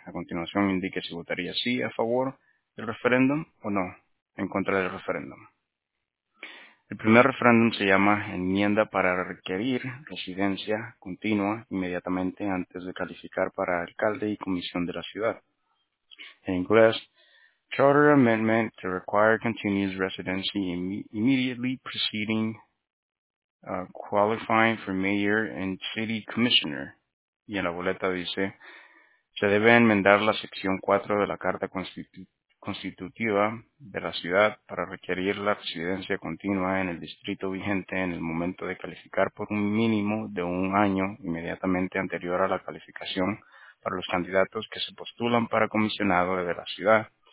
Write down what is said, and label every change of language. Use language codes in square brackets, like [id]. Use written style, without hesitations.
[es] A continuación, indique si votaría sí a favor del referéndum o no en contra del referéndum. El primer referéndum se llama Enmienda para requerir residencia continua inmediatamente antes de calificar para alcalde y comisión de la ciudad. En inglés, [en] Charter Amendment to require continuous residency immediately preceding qualifying for mayor and city commissioner. [es] Y en la boleta dice, se debe enmendar la sección 4 de la Carta Constitutiva de la ciudad para requerir la residencia continua en el distrito vigente en el momento de calificar por un mínimo de un año inmediatamente anterior a la calificación para los candidatos que se postulan para comisionado de la ciudad